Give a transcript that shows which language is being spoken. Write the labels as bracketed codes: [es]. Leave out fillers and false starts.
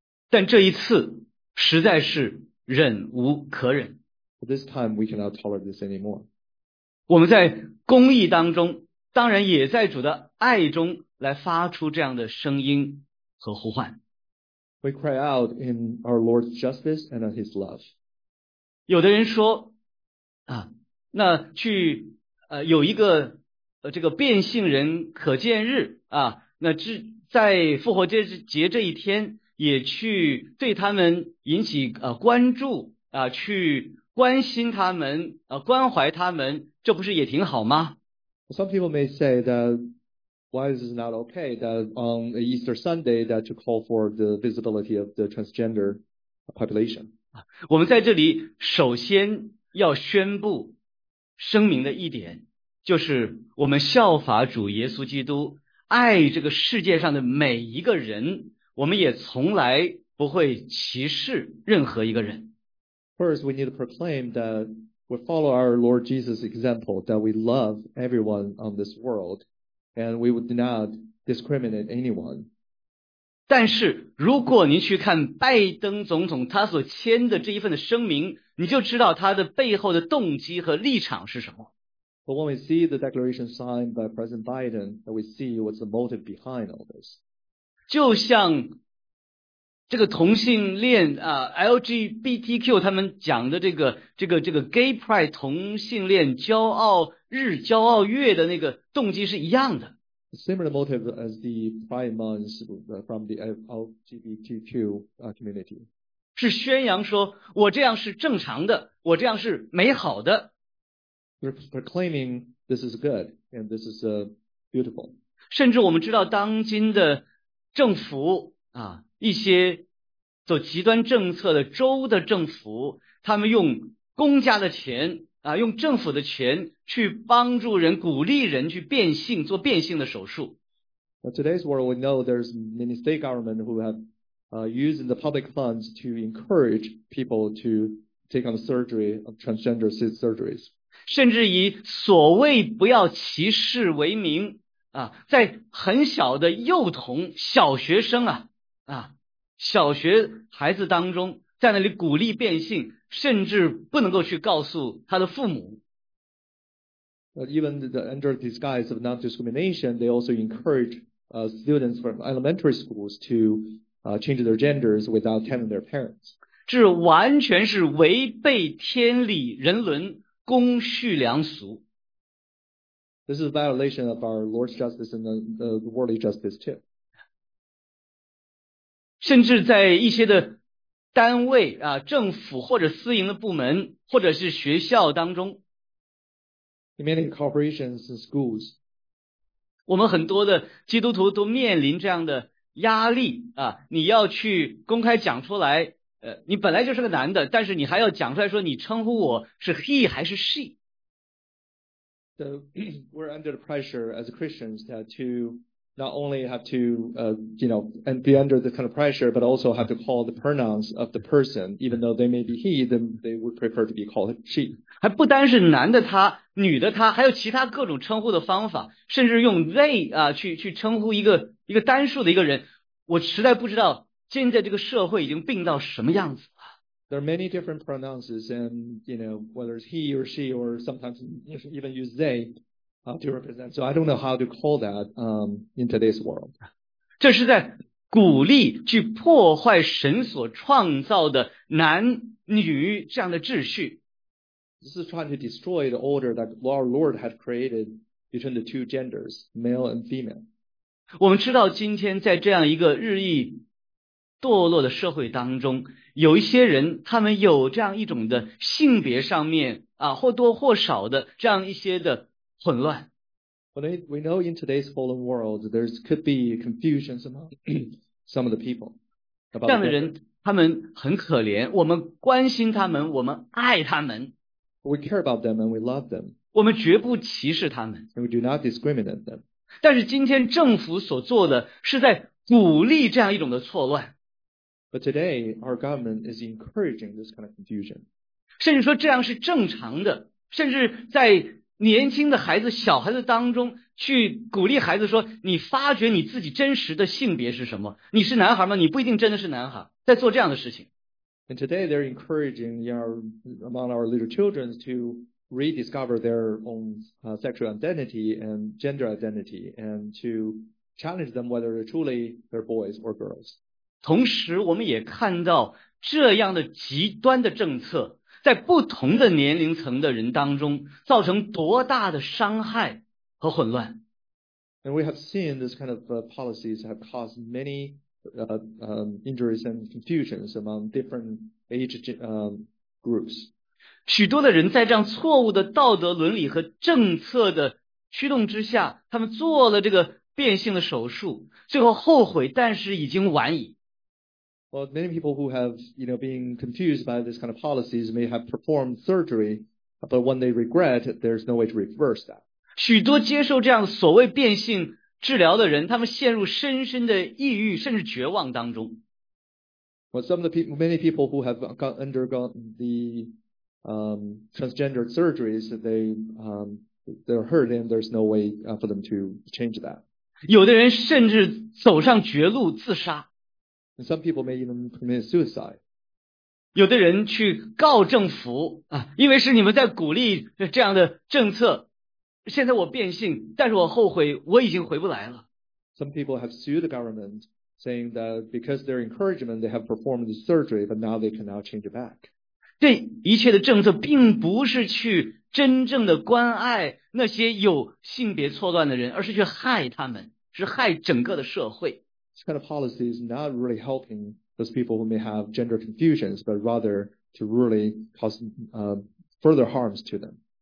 [zh] 但这一次实在是忍无可忍。 [en] But this time we cannot tolerate this anymore. [zh] 我们在公义当中，当然也在主的爱中来发出这样的声音和呼唤。 [en] We cry out in our Lord's justice and His love. [zh] 有的人说啊，那去有一个这个变性人可见日啊，那在复活节这一天也去对他们引起关注啊，去关心他们关怀他们。这不是也挺好吗？ [en] Some people may say that why this is not okay that on Easter Sunday that to call for the visibility of the transgender population. [zh] 我们在这里首先要宣布声明的一点，就是我们效法主耶稣基督，爱这个世界上的每一个人，我们也从来不会歧视任何一个人。 [en] First, we need to proclaim that we follow our Lord Jesus' example that we love everyone on this world, and we would not discriminate anyone. [zh] 但是如果您去看拜登总统他所签的这一份的声明，你就知道他的背后的动机和立场是什么。 [en] But when we see the declaration signed by President Biden, that we see what's the motive behind all this. [zh] 就像这个同性恋啊、LGBTQ 他们讲的这个 [en] Gay Pride [zh] 同性恋骄傲日、骄傲月的那个动机是一样的。 [en] Similar motive as the Pride Month from the LGBTQ community. [zh] 是宣扬说我这样是正常的，我这样是美好的。 [en] Proclaiming this is good and this is beautiful. [zh] 甚至我们知道当今的政府啊，一些走极端政策的州的政府，他们用公家的钱啊，用政府的钱去帮助人，鼓励人去变性，做变性的手术。 [en] But today's world, we know there's many state government who have using the public funds to encourage people to take on surgery of transgender surgeries. [zh] 甚至以所谓不要歧视为名啊，在很小的幼童、小学生啊啊，小学孩子当中，在那里鼓励变性，甚至不能够去告诉他的父母。 [en] Even the under the disguise of non-discrimination, they also encourage students from elementary schools to change their genders without telling their parents. [zh] 这完全是违背天理人伦。公序良俗。 [en] This is a violation of our Lord's justice and the worldly justice too. [zh] 甚至在一些的单位啊，政府或者私营的部门，或者是学校当中。 [en] In many corporations and schools. [zh] 我们很多的基督徒都面临这样的压力啊，你要去公开讲出来。你本来就是个男的，但是你还要讲出来说你称呼我是 he 还是 she。 [en] So, we're under the pressure as Christians to not only have to, and be under the kind of pressure, but also have to call the pronouns of the person, even though they may be he, then they would prefer to be called she. [zh] 还不单是男的他、女的他，还有其他各种称呼的方法，甚至用 they 啊去称呼一个单数的一个人，我实在不知道。现在这个社会已经病到什么样子了？ [en] There are many different pronouns, and you know whether it's he or she, or sometimes even use they to represent. So I don't know how to call that in today's world. [zh] 这是在鼓励去破坏神所创造的男女这样的秩序。 [en] This is trying to destroy the order that our Lord had created between the two genders, male and female. [zh] 我们知道今天在这样一个日益堕落的社会当中，有一些人他们有这样一种的性别上面啊，或多或少的这样一些的混乱。 [en] We know in today's fallen world, there could be confusion among some of the people. [zh] 这样的人他们很可怜，我们关心他们，我们爱他们。 [en] We care about them and we love them. [zh] 我们绝不歧视他们。 [en] We do not discriminate them. [zh] 但是今天政府所做的是在鼓励这样一种的错乱。 [en] But today, our government is encouraging this kind of confusion. [zh] 甚至说这样是正常的，甚至在年轻的孩子、小孩子当中去鼓励孩子说，你发觉你自己真实的性别是什么？你是男孩吗？你不一定真的是男孩，在做这样的事情。 [en] And today, they're encouraging among our little children to rediscover their own sexual identity and gender identity and to challenge them whether they're truly they're boys or girls. [zh] 同时我们也看到这样的极端的政策在不同的年龄层的人当中造成多大的伤害和混乱。 [en] And we have seen this kind of policies have caused many injuries and confusions among different age groups. [zh] 许多的人在这样错误的道德伦理和政策的驱动之下，他们做了这个变性的手术，最后后悔，但是已经晚矣。 [en] Well, many people who have, you know, been confused by this kind of policies may have performed surgery, but when they regret, there's no way to reverse that. [zh] 许多接受这样所谓变性治疗的人，他们陷入深深的抑郁，甚至绝望当中。 [en] Well, many people who have undergone the transgender surgeries, they're hurting. There's no way for them to change that. [zh] 有的人甚至走上绝路自杀。 [en] And some people may even commit suicide. [zh] 有的人去告政府啊，因为是你们在鼓励这样的政策。现在我变性，但是我后悔，我已经回不来了。 [en] Some people have sued the government, saying that because their encouragement, they have performed the surgery, but now they cannot change it back. [zh] 对一切的政策，并不是去真正的关爱那些有性别错乱的人，而是去害他们，是害整个的社会。 [en] This kind of policy is not really helping those people who may have gender confusions, but rather to really cause further harms to them.